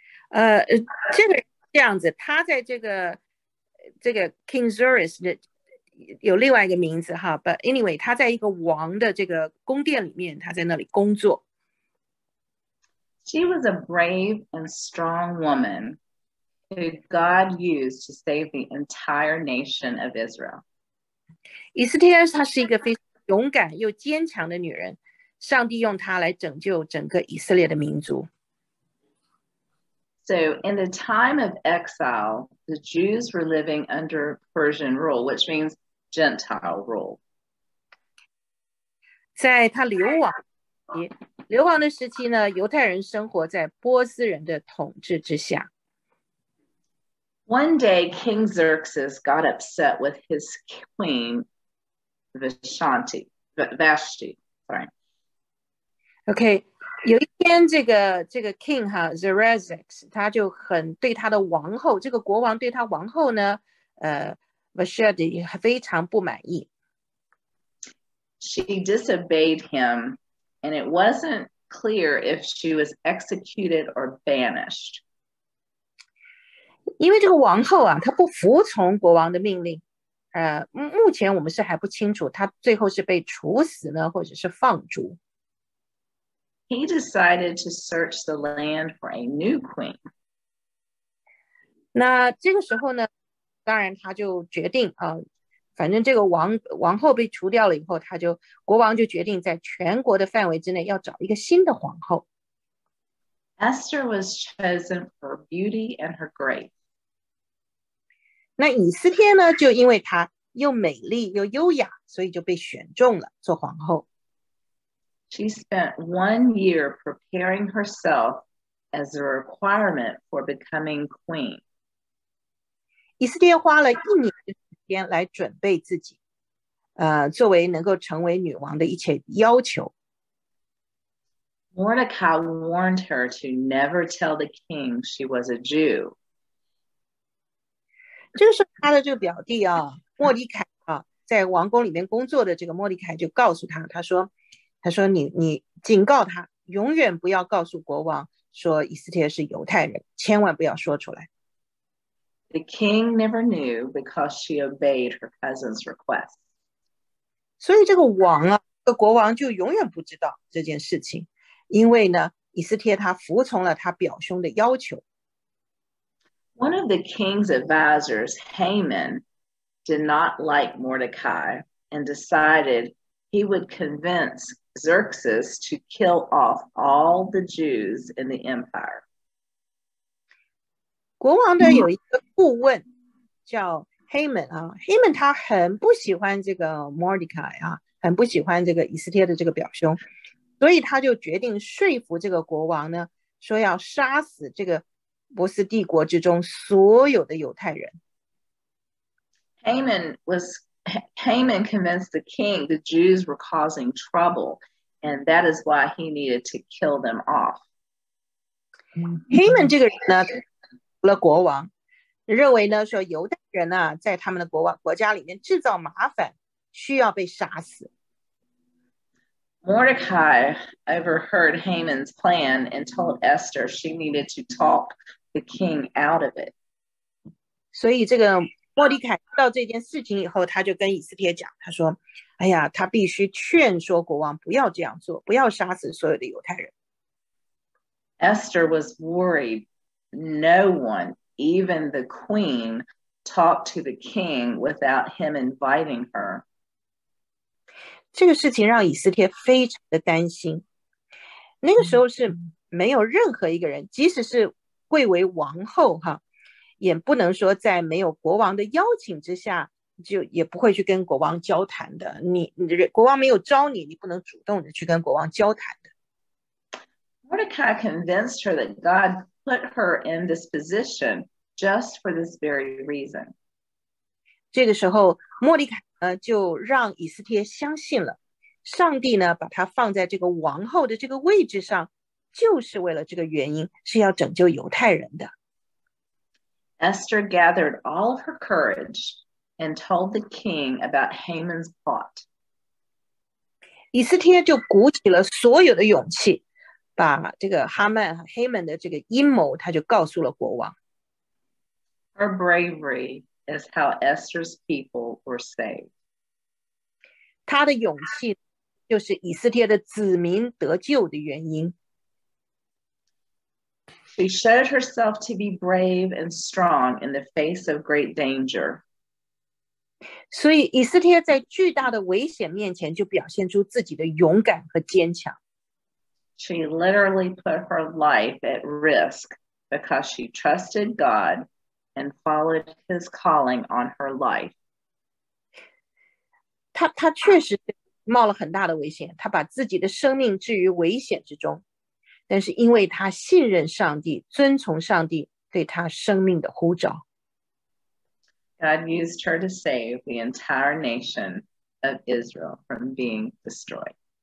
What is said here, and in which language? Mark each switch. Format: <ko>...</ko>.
<en>Okay.</en> <zh>这个这样子，他在这个 King Xerxes 的有另外一个名字哈 ，</zh> <en>But anyway，</en> <zh>他在一个王的这个宫殿里面，他在那里工作。</zh> <en>She was a brave and strong woman. who God used to save the entire nation of Israel.</en> <zh>以斯帖她是一个非常勇敢又坚强的女人，上帝用她来拯救整个以色列的民族。</zh> <en>So in the time of exile, the Jews were living under Persian rule, which means Gentile rule.</en> <zh>在她流亡的时期呢，犹太人生活在波斯人的统治之下。</zh> <en>One day, King Xerxes got upset with his queen Vashti. Sorry. Okay.</en> <zh>有一天，这个 King 哈 Xerxes 他就很对他的王后，这个国王对他王后呢，Vashti 非常不满意。</zh> <en>She disobeyed him, and it wasn't clear if she was executed or banished.</en> <zh>因为这个王后啊，她不服从国王的命令，目前我们是还不清楚她最后是被处死呢，或者是放逐。</zh> <en>He decided to search the land for a new queen.</en> <zh>那这个时候呢，当然他就决定啊，反正这个王后被除掉了以后，国王就决定在全国的范围之内要找一个新的皇后。</zh> <en>Esther was chosen for beauty and her grace.</en> <zh>那以斯帖呢，就因为她又美丽又优雅，所以就被选中了做皇后。</zh> <en>She spent 1 year preparing herself as a requirement for becoming queen.</en> <zh>以斯帖花了一年的时间来准备自己，作为能够成为女王的一切要求。</zh> <en>Mordecai warned her to never tell the king she was a Jew.</en> <zh>这是他的这个表弟啊，莫迪凯啊，在王宫里面工作的这个莫迪凯就告诉他，他说你警告他，永远不要告诉国王说以斯帖是犹太人，千万不要说出来。</zh> <en>The king never knew because she obeyed her cousin's request.</en> <zh>所以这个王啊，这个国王就永远不知道这件事情。因为呢，以斯帖他服从了他表兄的要求。</zh> <en>One of the king's advisors, Haman, did not like Mordecai and decided he would convince Xerxes to kill off all the Jews in the empire.</en> <zh>国王的有一个顾问叫 Haman 啊 ，Haman 他很不喜欢这个 Mordecai 啊，很不喜欢这个以斯帖的这个表兄。所以他就决定说服这个国王呢，说要杀死这个波斯帝国之中所有的犹太人。</zh> <en>Haman convinced the king the Jews were causing trouble, and that is why he needed to kill them off.</en> <zh>Haman 这个人呢，说了国王，认为呢说犹太人呢在他们的国家里面制造麻烦，需要被杀死。</zh> <en>Mordecai overheard Haman's plan and told Esther she needed to talk the king out of it.</en> <zh>所以这个莫迪凯知道这件事情以后，他就跟以斯帖讲，他说：“哎呀，他必须劝说国王不要这样做，不要杀死所有的犹太人。”</zh> <en>Esther was worried. No one, even the queen, talked to the king without him inviting her.</en> <zh>这个事情让以斯帖非常的担心。那个时候是没有任何一个人，即使是贵为王后哈，也不能说在没有国王的邀请之下，就也不会去跟国王交谈的。你国王没有招你，你不能主动的去跟国王交谈的。</zh> <en>Mordecai convinced her that God put her in this position just for this very reason.</en> <zh>这个时候，莫迪凯。就让以斯帖相信了，上帝呢把他放在这个王后的这个位置上，就是为了这个原因，是要拯救犹太人的。</zh> <en>Esther gathered all of her courage and told the king about Haman's plot.</en> <zh>以斯帖就鼓起了所有的勇气，把这个哈曼的这个阴谋，他就告诉了国王。</zh> <en>Her bravery. Is how Esther's people were saved.</en> <zh>他的勇气就是以斯帖的子民得救的原因。</zh> <en>She showed herself to be brave and strong in the face of great danger.</en> <zh>所以以色列在巨大的危险面前就表现出自己的勇敢和坚强。</zh> <en>She literally put her life at risk because she trusted God and followed his calling on her life.</en> <zh>她确实冒了很大的危险，她把自己的生命置于危险之中，但是因为她信任上帝，遵从上帝对她生命的呼召。</zh> <en>God used her to save the entire nation of Israel from being destroyed.</en>